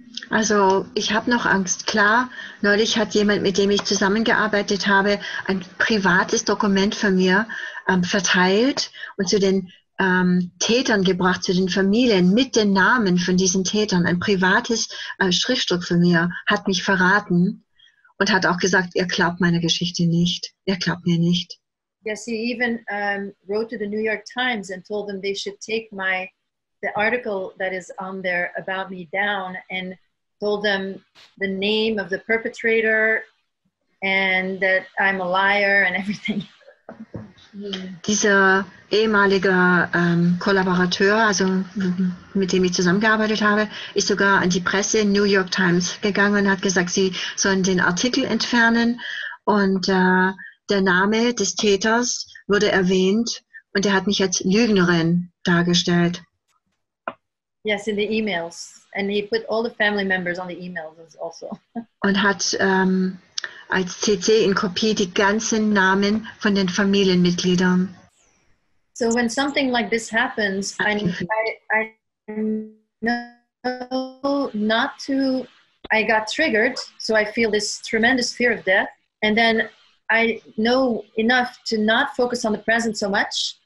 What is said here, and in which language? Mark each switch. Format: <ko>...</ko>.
<de>Also, ich habe noch Angst. Klar, neulich hat jemand, mit dem ich zusammengearbeitet habe, ein privates Dokument von mir verteilt und zu den Tätern gebracht, zu den Familien mit den Namen von diesen Tätern. Ein privates Schriftstück von mir hat mich verraten und hat auch gesagt, ihr glaubt meiner Geschichte nicht. Ihr glaubt mir nicht.</de> <en>Yes, he even wrote to the New York Times and told them they should take my the article that is on there about me down and told them the name of the perpetrator and that I'm a liar and everything.</en> <de>Dieser ehemalige Kollaborateur, also mit dem ich zusammengearbeitet habe, ist sogar an die Presse in New York Times gegangen und hat gesagt, sie sollen den Artikel entfernen und der Name des Täters wurde erwähnt und er hat mich als Lügnerin dargestellt.</de> <en>Yes, in the emails. And he put all the family members on the emails also.</en> <de>Und hat als CC in Kopie die ganzen Namen von den Familienmitgliedern.</de> <en>So when something like this happens, I got triggered, so I feel this tremendous fear of death. And then I know enough to not focus on the present so much.</en>